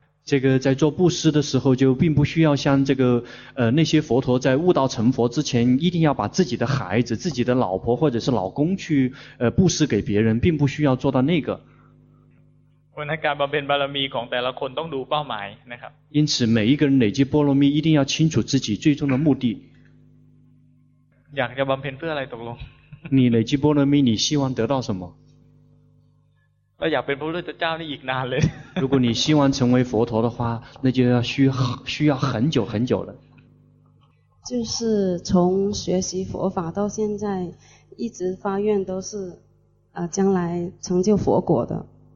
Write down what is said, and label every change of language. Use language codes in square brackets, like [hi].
[zh] 这个在做布施的时候就并不需要像这个那些佛陀在悟道成佛之前一定要把自己的孩子自己的老婆或者是老公去布施给别人并不需要做到那个 [th] การบำเพ็ญบารมีของแต่ละคนต้องดูเป้าหมายนะครับ [zh] 因此每一个人累积波罗蜜一定要清楚自己最终的目的 [th] อยากจะบำเพ็ญเพื่ออะไรตกลง [zh] 你累积波罗蜜你希望得到什么 [th] เราอยากเป็นพระพุทธเจ้านี่อีกนานเลย [zh] 如果你希望成为佛陀的话那就要需要很久很久了就是从学习佛法到现在一直发愿都是将来成就佛果的